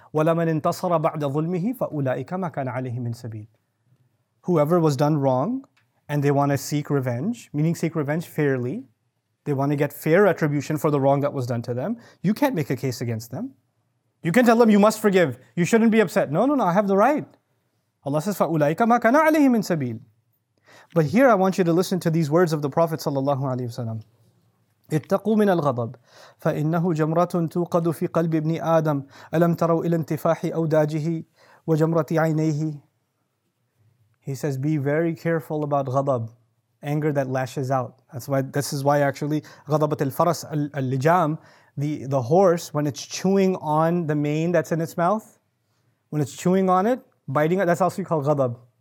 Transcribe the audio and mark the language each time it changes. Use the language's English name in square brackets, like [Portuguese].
[Arabic] وَلَمَنْ انْتَصَرَ بَعْدَ ظُلْمِهِ فَأُولَٰئِكَ مَا كَانَ عَلَيْهِ مِنْ سَبِيلٍ. [English] Whoever was done wrong, and they want to seek revenge, meaning seek revenge fairly, they want to get fair retribution for the wrong that was done to them, you can't make a case against them. You can tell them, you must forgive, you shouldn't be upset. No, I have the right. Allah says, [Arabic] فَأُولَٰئِكَ مَا كَانَ عَلَيْهِ مِنْ سَبِيلٍ. [English] But here I want you to listen to these words of the Prophet ﷺ. [Arabic] اتقوا من الغضب فإنه جمرة توقد في قلب ابن آدم ألم تروا إلى انتفاح أوداجه وجمرة عينيه. [English] He says, be very careful about غضب, anger that lashes out. This is why actually [Arabic] غضبة الفرس اللجام, [English] the horse, when it's chewing on the mane that's in its mouth, when it's chewing on it, biting it, that's also called غضب.